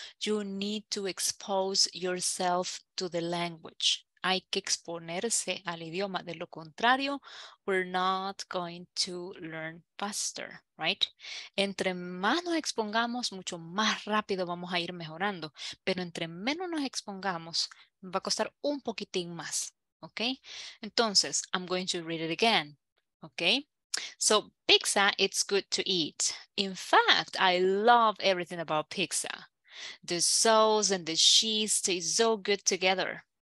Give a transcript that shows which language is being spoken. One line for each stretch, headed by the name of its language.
English: You need to expose yourself to the language.
Spanish: Hay que exponerse al idioma. De lo contrario,
English: we're not going to learn faster, right?
Spanish: Entre más nos expongamos, mucho más rápido vamos a ir mejorando. Pero entre menos nos expongamos, va a costar un poquitín más, okay?
English: Entonces, I'm going to read it again, okay? So, pizza, it's good to eat. In fact, I love everything about pizza. The sauce and the cheese taste so good together.